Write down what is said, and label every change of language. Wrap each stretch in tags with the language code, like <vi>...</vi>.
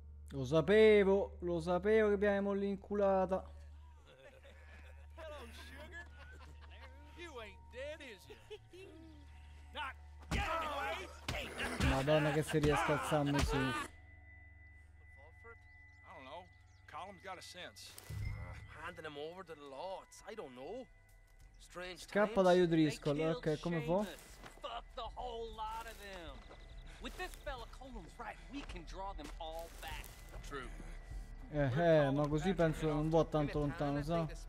<it>Lo sapevo che abbiamo l'inculata.</it> <en>Hello, sugar. You ain't dead, is you? Not yet, anyway.</en> <it>Madonna, che si riesca a alzarmi su.</it> <en>I don't know. Colin's got a sense. Handing him over to the lords. I don't know. Strange.</en> <it>Scappa da Udriscoll. Ok, come può?</it> <en>Fuck the whole lot of them. With this fella, Colin's right. We can draw them all back. True.</en> <it>Ma così penso non vo' tanto lontano, sa?</it>